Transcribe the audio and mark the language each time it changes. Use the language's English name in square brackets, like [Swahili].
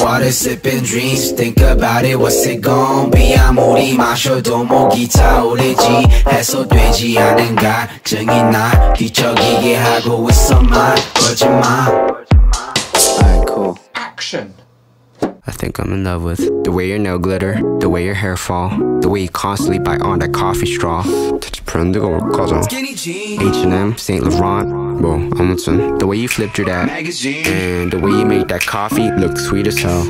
[English] Sipping dreams, think about it, what's it gon' be? [Korean] 아무리 마셔도 목이 타오르지. 해소되지 않은 갈증이 나 뒤척이게 하고 있어 말 걸지 마. [English] Alright, cool. Action. I think I'm in love with the way your nail glitter, the way your hair fall, the way you constantly bite on that coffee straw. That's pretty good, cousin. H&M, Saint Laurent, well, Amundsen. The way you flipped your dad, and the way you made that coffee look sweet as hell.